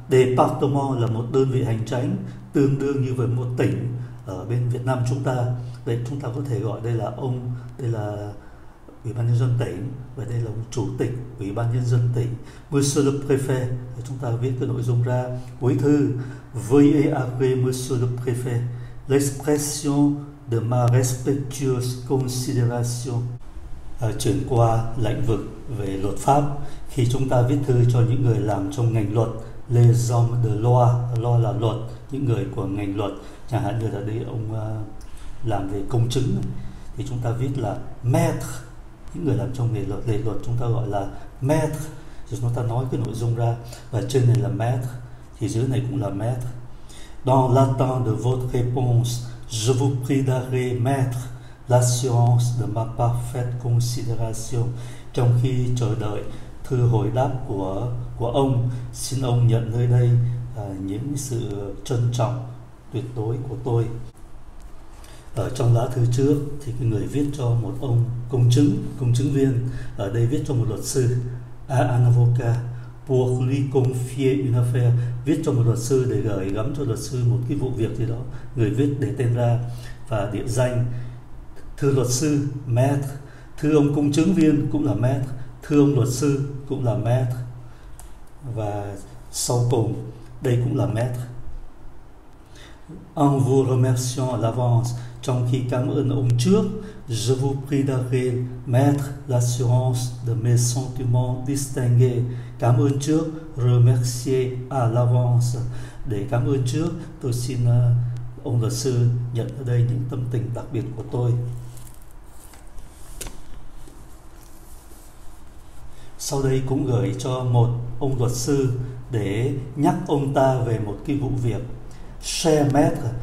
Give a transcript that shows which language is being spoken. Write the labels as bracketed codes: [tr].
[vi] Département là một đơn vị hành chánh tương đương như với một tỉnh ở bên Việt Nam chúng ta. Vậy chúng ta có thể gọi đây là ông, đây là ủy ban nhân dân tỉnh, và đây là ông chủ tịch ủy ban nhân dân tỉnh. Monsieur le préfet, chúng ta viết cái nội dung ra cuối thư. [fr] Veuillez agréer monsieur le préfet l'expression de ma respectueuse considération. [vi] Chuyển qua lĩnh vực về luật pháp, khi chúng ta viết thư cho những người làm trong ngành luật, [fr] les hommes de loi, [vi] loi là luật, những người của ngành luật, chẳng hạn như là đây ông làm về công chứng, thì chúng ta viết là maître. Những người làm trong nghề luật, lệ luật chúng ta gọi là maître. Rồi chúng ta nói cái nội dung ra, và trên này là maître thì dưới này cũng là maître. [fr] Dans l'attente de votre réponse, je vous prie d'agréer mettre la science de ma parfaite considération. [vi] Trong khi chờ đợi thư hồi đáp của ông, xin ông nhận nơi đây những sự trân trọng tuyệt đối của tôi. Ở trong lá thư trước thì cái người viết cho một ông công chứng viên, ở đây viết cho một luật sư, [fr] un avocat, pour lui confier une affaire, [vi] viết cho một luật sư để gửi gắm cho luật sư một cái vụ việc gì đó. Người viết để tên ra và địa danh, thưa luật sư, maître, thưa ông công chứng viên cũng là maître, thưa ông luật sư cũng là maître, và sau cùng đây cũng là maître. [fr] En vous remerciant à l'avance, [vi] trong khi cảm ơn ông trước, [fr] je vous prie d'agréer mettre l'assurance de mes sentiments distingués. [vi] Cảm ơn trước, [fr] remercier à l'avance. [vi] Để cảm ơn trước, tôi xin ông luật sư nhận ở đây những tâm tình đặc biệt của tôi. Sau đây cũng gửi cho một ông luật sư để nhắc ông ta về một cái vụ việc. [fr] Cher maître.